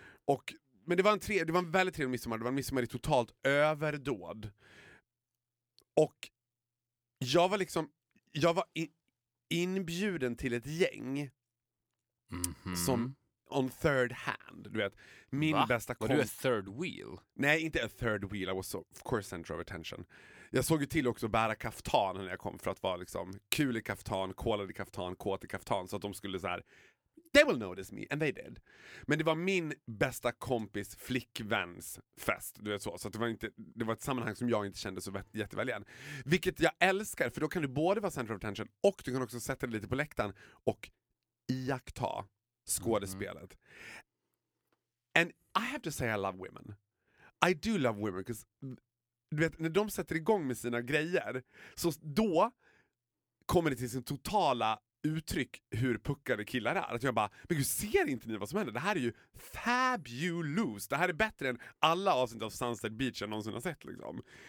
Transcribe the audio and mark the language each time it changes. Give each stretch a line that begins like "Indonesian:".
Swedish: Och, men det var en väldigt trevlig midsommar. Det var en midsommar i totalt överdåd. Och jag var liksom... Jag var inbjuden till ett gäng som
English: on third hand,
Swedish: du vet, min bästa kompis. Var du
English: a third wheel?
Swedish: Nej, inte
English: a third wheel, I was of course center of attention.
Swedish: Jag såg ju till också bära kaftan när jag kom för att vara liksom kul i kaftan, kolad i kaftan, kåt i kaftan, så att de skulle så här,
English: they will notice me, and they did.
Swedish: Men det var min bästa kompis flickväns fest, du vet, så att det var ett sammanhang som jag inte kände så jätteväl igen. Vilket jag älskar, för då kan du både vara center of attention och du kan också sätta dig lite på läktaren och iaktta skådespelet.
English: And I have to say I love women. I do love women, because
Swedish: du vet, när de sätter igång med sina grejer, så då kommer det till sin totala uttryck hur puckade killar är. Att jag bara, men gud, ser inte ni vad som händer? Det här är ju fabulous. Det här är bättre än alla avsnitt av Sunset Beach jag någonsin har sett, liksom.